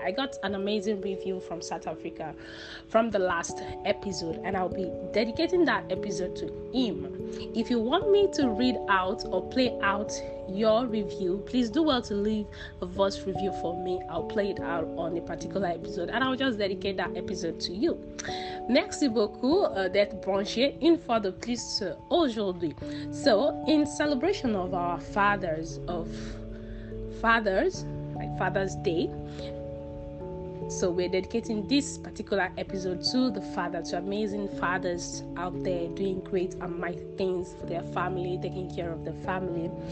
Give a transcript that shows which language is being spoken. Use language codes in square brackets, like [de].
[en] I got an amazing review from South Africa from the last episode, and I'll be dedicating that episode to him. If you want me to read out or play out your review, please do well to leave a voice review for me. I'll play it out on a particular episode, and I'll just dedicate that episode to you. [fr] Merci beaucoup d'être branché une fois de plus aujourd'hui. [en] So, in celebration of our Father's Day, so we're dedicating this particular episode to the father, to amazing fathers out there doing great and mighty things for their family, taking care of the family.